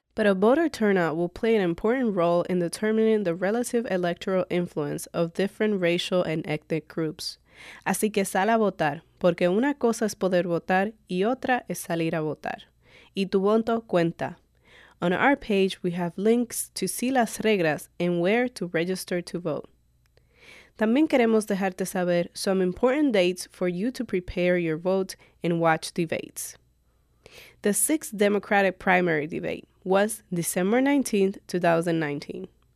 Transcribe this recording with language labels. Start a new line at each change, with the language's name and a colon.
English: But a voter turnout will play an important role in determining the relative electoral influence of different racial and ethnic groups.
Spanish: Así que sal a votar, porque una cosa es poder votar y otra es salir a votar. Y tu voto cuenta.
English: On our page, we have links to see
Spanish: las reglas
English: and where to register to vote.
Spanish: También queremos dejarte saber
English: some important dates for you to prepare your vote and watch debates. The sixth Democratic primary debate was December 19, 2019.